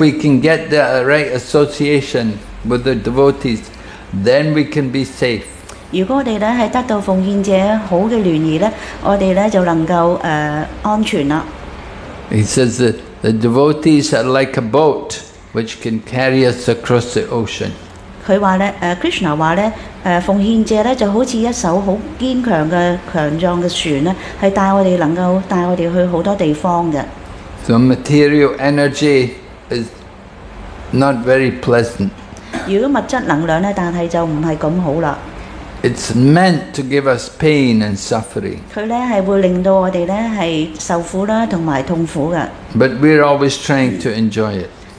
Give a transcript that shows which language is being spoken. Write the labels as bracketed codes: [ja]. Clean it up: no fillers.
[en] we can get the right association with the devotees, then we can be safe. [zh] 如果我們得到奉獻者好的聯誼,我們就能夠安全了。 [en] He says that the devotees are like a boat which can carry us across the ocean. [zh] Krishna說,奉獻者就好像一艘很堅強的船,能夠帶我們去很多地方。 [en] So material energy is not very pleasant. [zh] 如果物質能量,但就不是那麼好了。 [en] It's meant to give us pain and suffering. But we're always trying to enjoy it.